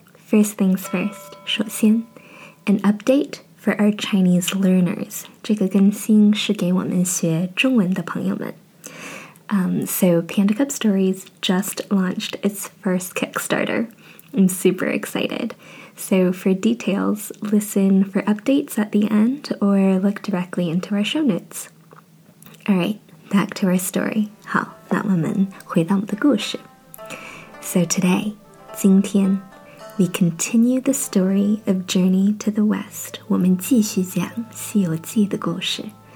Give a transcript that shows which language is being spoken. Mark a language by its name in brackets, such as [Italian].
[English] First things first, [Chinese] 首先 [English] an update for our Chinese learners. [Chinese] 这个更新是给我们学中文的朋友们。 [English] So Panda Cub Stories just launched its first Kickstarter. I'm super excited. So for details, listen for updates at the end or look directly into our show notes. All right, back to our story. [Chinese] 好。那我们回到我们的故事。 [English] So today, [Chinese] 今天 [English] we continue the story of Journey to the West. [Chinese] 我们继续讲《西游记》的故事。